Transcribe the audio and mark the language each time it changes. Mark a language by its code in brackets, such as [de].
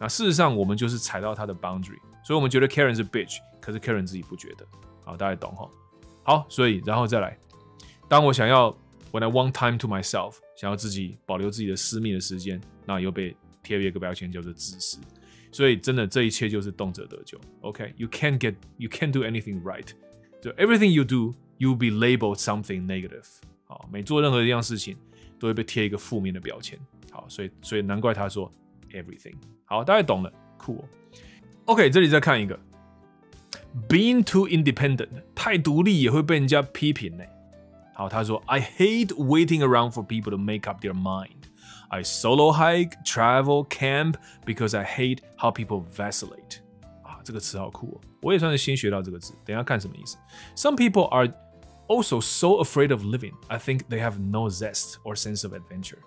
[zh] 那事实上我们就是踩到他的 boundary， 所以我们觉得 Karen 是 bitch， 可是 Karen 自己不觉得。好，大家懂齁。好，所以然后再来，当我想要 [en] when I want time to myself， [zh] 想要自己保留自己的私密的时间，那又被贴一个标签叫做自私。所以真的这一切就是动辄得咎。 [en] OK， You can't do anything right， so everything you do you'll be labeled something negative。 [zh] 好，每做任何一样事情都会被贴一个负面的标签。好，所以难怪他说 everything。好，大家懂了， cool。 OK， 这里再看一个， [en] being too independent， [zh] 太独立也会被人家批评呢。好，他说 [en] I hate waiting around for people to make up their mind。 I solo hike, travel, camp because I hate how people vacillate。 [zh] 啊，这个词好酷哦，我也算是新学到这个词，等一下看什么意思。 [en] Some people are also so afraid of living, I think they have no zest or sense of adventure。